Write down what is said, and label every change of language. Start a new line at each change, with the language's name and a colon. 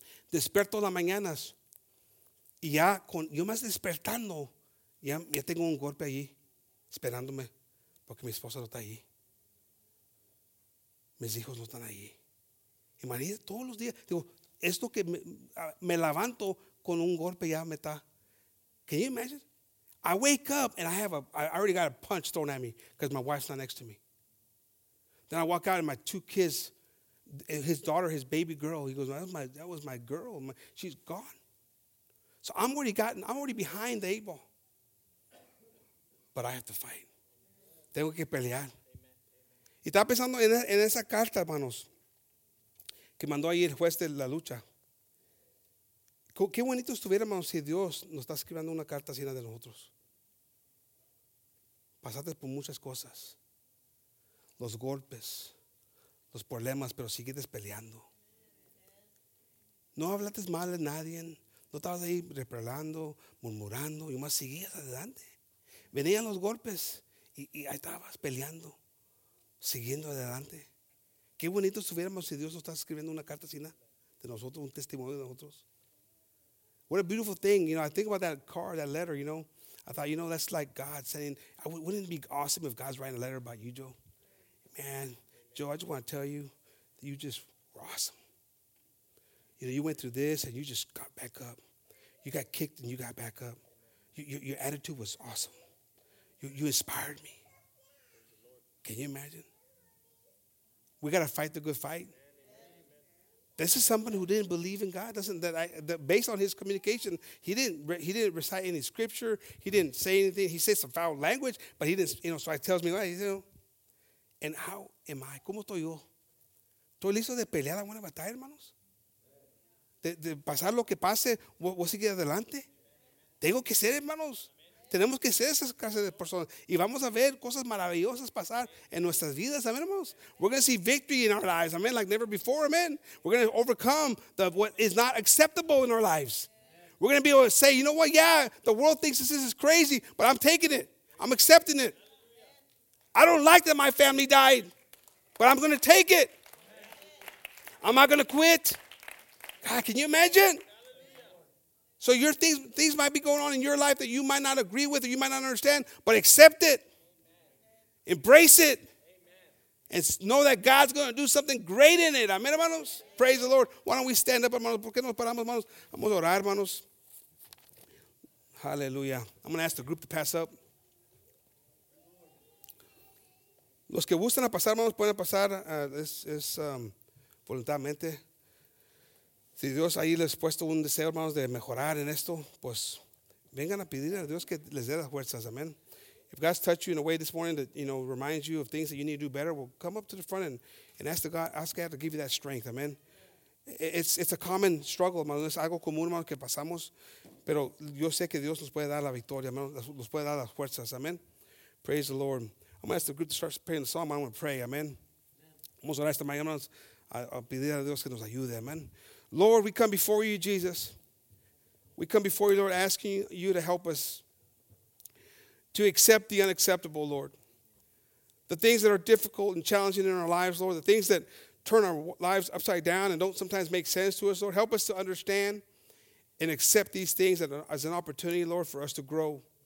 Spanish: Despierto en las mañanas y ya, yo más despertando, ya tengo un golpe allí esperándome porque mi esposa no está allí. Mis hijos no están allí. Imagínate todos los días, digo, esto que me levanto con un golpe ya me está.
English: Can you imagine? I wake up and I already got a punch thrown at me because my wife's not next to me. Then I walk out and my two kids, his daughter, his baby girl, he goes, that was my girl. She's gone. So I'm already behind the eight ball. But I have to fight.
Spanish: Tengo que pelear. Y estaba pensando en esa carta, hermanos, que mandó ahí el juez de la lucha. Qué bonito estuviéramos si Dios nos está escribiendo una carta así de nosotros. Pasaste por muchas cosas. Los golpes, los problemas, pero sigues peleando. No hablaste mal de nadie. No estabas ahí repelando, murmurando. Y más seguías adelante. Venían los golpes y ahí estabas peleando, siguiendo adelante. Qué bonito estuviéramos si Dios nos está escribiendo una carta así de nosotros, un testimonio de nosotros.
English: What a beautiful thing. You know, I think about that card, that letter, you know. I thought, you know, that's like God saying, wouldn't it be awesome if God's writing a letter about you, Joe? Man, Joe, I just want to tell you that you just were awesome. You know, you went through this and you just got back up. You got kicked and you got back up. Your attitude was awesome. You inspired me. Can you imagine? We got to fight the good fight. Amen. This is someone who didn't believe in God. Based on his communication, he didn't recite any scripture. He didn't say anything. He said some foul language, but he didn't, you know, so he tells me, you know. And how am I?
Spanish: ¿Cómo estoy yo? ¿Estoy listo de pelear la buena batalla, hermanos? De pasar lo que pase, voy a seguir adelante. Tengo que ser, hermanos. Tenemos que ser esas clases de personas. Y vamos a ver cosas maravillosas pasar en nuestras vidas. Amen, hermanos.
English: We're going to see victory in our lives. Amen. Like never before. Amen. We're going to overcome what is not acceptable in our lives. We're going to be able to say, you know what? Yeah, the world thinks this is crazy, but I'm taking it. I'm accepting it. I don't like that my family died, but I'm going to take it. I'm not going to quit. God, can you imagine? So your things might be going on in your life that you might not agree with or you might not understand, but accept it. Amen. Embrace it. Amen. And know that God's going to do something great in it.
Spanish: Amen, hermanos. Amen.
English: Praise the Lord. Why don't we stand up,
Spanish: hermanos? ¿Por qué nos paramos, hermanos? Vamos a orar, hermanos. Hallelujah.
English: I'm going to ask the group to pass up.
Spanish: Los que gustan a pasar, hermanos, pueden pasar. Es voluntariamente. Si Dios ahí les ha puesto un deseo, hermanos, de mejorar en esto, pues vengan a pedir a Dios que les dé las fuerzas. Amen.
English: If God's touched you in a way this morning that, you know, reminds you of things that you need to do better, well, come up to the front and ask God to give you that strength.
Spanish: Amen.
English: It's a common struggle,
Spanish: hermanos. Es algo común, hermanos, que pasamos. Pero yo sé que Dios nos puede dar la victoria, hermanos. Nos puede dar las fuerzas. Amen.
English: Praise the Lord. I'm going to ask the group to start praying the psalm. I'm going to pray. Amen.
Spanish: Vamos a orar esta mañana, hermanos, a pedir a Dios que nos ayude.
English: Amen. Lord, we come before you, Jesus. We come before you, Lord, asking you to help us to accept the unacceptable, Lord. The things that are difficult and challenging in our lives, Lord, the things that turn our lives upside down and don't sometimes make sense to us, Lord, help us to understand and accept these things as an opportunity, Lord, for us to grow.